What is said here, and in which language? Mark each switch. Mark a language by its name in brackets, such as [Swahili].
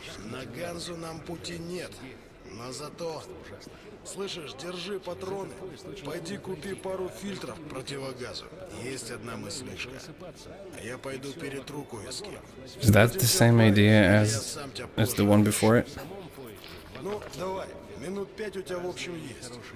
[Russian] На Ганзу нам пути нет, но зато... Слышишь, держи патроны, пойди купи пару фильтров противогазу. Есть одна мыслишка. Я пойду перетру кое-ски. [English] Is that the same idea as the one before it? [Russian] Ну, давай, минут пять у тебя в общем есть.